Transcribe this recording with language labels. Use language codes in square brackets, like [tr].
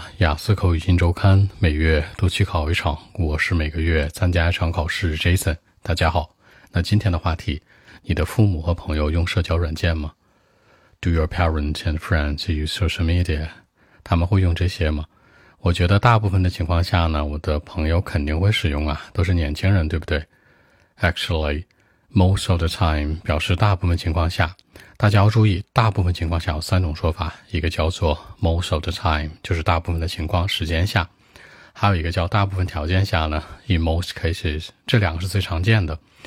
[zh] 雅思口语新周刊，每月都去考一场，我是每个月参加一场考试 Jason。大家好，那今天的话题，你的父母和朋友用社交软件吗？ [en] Do your parents and friends use social media? [zh] 他们会用这些吗？我觉得大部分的情况下呢，我的朋友肯定会使用啊，都是年轻人，对不对？ [en] Actually, most of the time [zh] 表示大部分情况下，大家要注意，大部分情况下有三种说法，一个叫做 [en] most of the time, [zh] 就是大部分的情况时间下，还有一个叫大部分条件下呢 [en] in most cases, [zh] 这两个是最常见的。